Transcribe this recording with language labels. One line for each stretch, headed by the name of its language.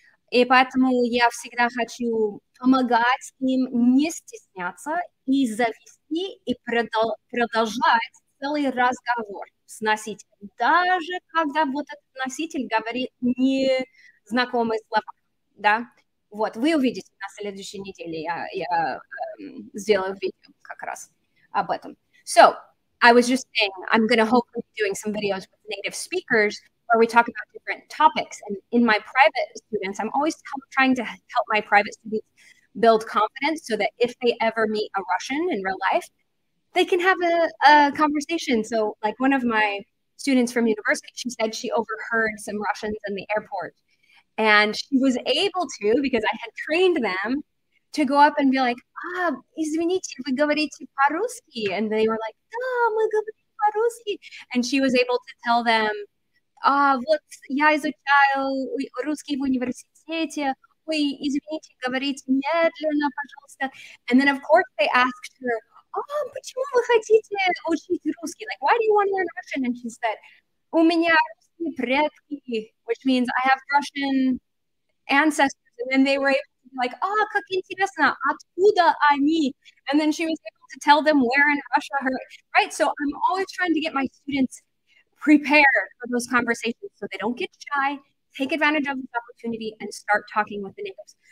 Russian: И поэтому я всегда хочу помогать им не стесняться и завести, и продолжать целый разговор с носителем, даже когда вот этот носитель говорит незнакомые слова, да? Вот, вы увидите на следующей неделе, я сделаю видео как раз об этом.
English: So, I was just saying, I'm going to hopefully be doing some videos with native speakers where we talk about different topics. And in my private students, I'm always trying to help my private students build confidence so that if they ever meet a Russian in real life, they can have a conversation. So like one of my students from university, she said she overheard some Russians in the airport. And she was able to, because I had trained them, to go up and be like,
Russian: извините, вы говорите по-русски?
English: And they were like,
Russian: да, мы говорим по-русски.
English: And she was able to tell them,
Russian: вот я изучаю русский в университете. Ой, извините, говорите медленно, пожалуйста.
English: And then of course they asked her, oh,
Russian: почему вы хотите учить русский?
English: Like, why do you want to learn Russian? And she said,
Russian: у меня русские предки,
English: which means I have Russian ancestors. And then they were able to be like, oh,
Russian: как интересно, откуда они?
English: And then she was able to tell them where in Russia her, right? So I'm always trying to get my students prepared for those conversations so they don't get shy, take advantage of this opportunity and start talking with the natives.